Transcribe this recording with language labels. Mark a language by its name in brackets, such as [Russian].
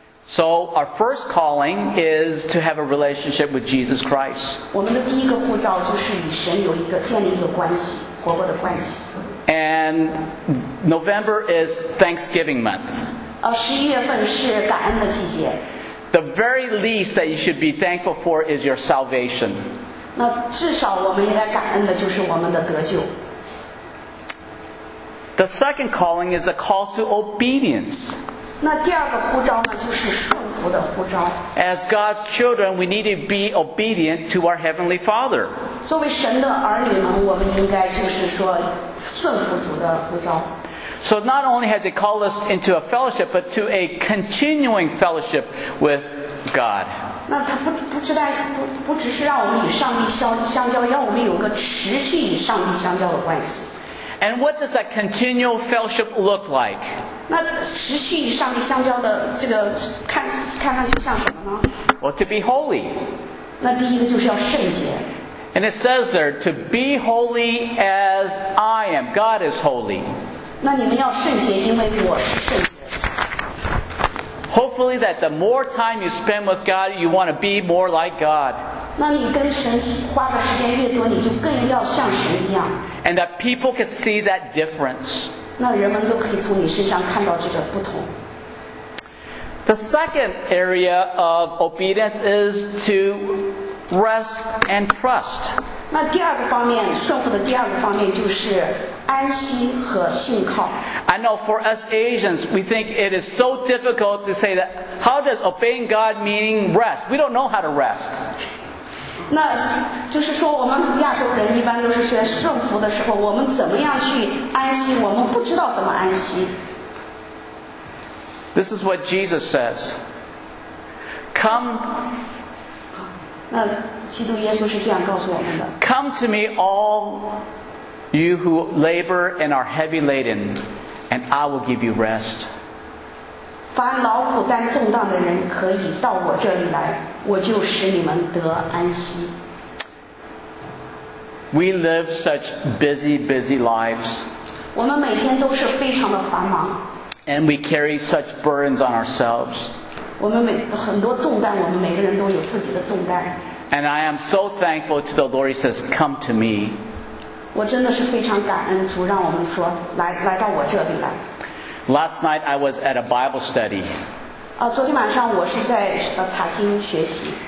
[English] So our first calling is to have a relationship with Jesus Christ. [Chinese] 我们的第一个呼召就是与神有一个建立一个关系，活泼的关系。 [English] And November is Thanksgiving month. [Chinese] 十一月份是感恩的季节。 [English] The very least that you should be thankful for is your salvation. [Chinese] 那至少我们应该感恩的就是我们的得救。 [English] The second calling is a call to obedience. [Chinese] 那第二个呼召呢，就是顺服的呼召。 [English] As God's children, we need to be obedient to our Heavenly Father. [Chinese] 作为神的儿女呢，我们应该就是说顺服主的呼召。 [English] So not only has it called us into a fellowship, but to a continuing fellowship with God. [Chinese] 那他不只是让我们与上帝相交，让我们有个持续与上帝相交的关系。 [English] And what does that continual fellowship look like? [Chinese] 那持续与上帝相交的这个看上去像什么呢？ [English] Well, to be holy. [Chinese] 那第一个就是要圣洁。 [English] And it says there, to be holy as I am. God is holy. [Chinese] 那你们要圣洁，因为我是圣洁。 [English] Hopefully that the more time you spend with God, you want to be more like God. [Chinese] 那你跟神花的时间越多，你就更要像神一样。 [English] And that people can see that difference. [Chinese] 那人们都可以从你身上看到这个不同。 [English] The second area of obedience is to rest and trust. [Chinese] 那第二个方面，顺服的第二个方面就是安息和信靠。 [English] I know for us Asians, we think it is so difficult to say that. How does obeying God mean rest? We don't know how to rest. [Chinese] 那就是说，我们亚洲人一般都是学顺服的时候，我们怎么样去安息？我们不知道怎么安息。 [English] This is what Jesus says. Come. [Chinese] 那基督耶稣是这样告诉我们的。 [English] Come to me, all you who labor and are heavy laden. And I will give you rest. [Chinese] 凡劳苦担重担的人可以到我这里来，我就使你们得安息。 [English] We live such busy, busy lives. [Chinese] 我们每天都是非常的繁忙。 [English] And we carry such burdens on ourselves. [Chinese] 我们很多重担，我们每个人都有自己的重担。 [English] And I am so thankful to the Lord. He says, "Come to me." [Chinese] 我真的是非常感恩主让我们说来到我这里来。 [English] Last night I was at a Bible study. [Chinese] 昨天晚上我是在查经学习。